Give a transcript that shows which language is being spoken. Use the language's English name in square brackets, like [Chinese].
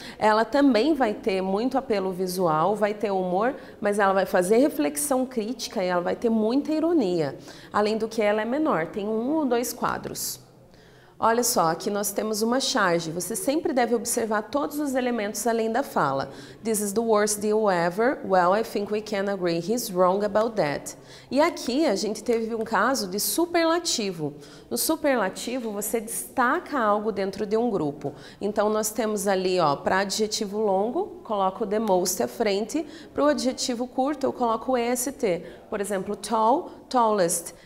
[Portuguese] Ela também vai ter muito apelo visual, vai ter humor, mas ela vai fazer reflexão crítica e ela vai ter muita ironia. Além do que ela é menor, tem um ou dois quadros. Olha só, aqui nós temos uma charge. Você sempre deve observar todos os elementos além da fala. [English] This is the worst deal ever. Well, I think we can agree he's wrong about that. [Portuguese] E aqui a gente teve um caso de superlativo. No superlativo, você destaca algo dentro de um grupo. Então, nós temos ali, ó, para adjetivo longo, coloco o the most à frente. Para o adjetivo curto, eu coloco o est. Por exemplo, tall, tallest.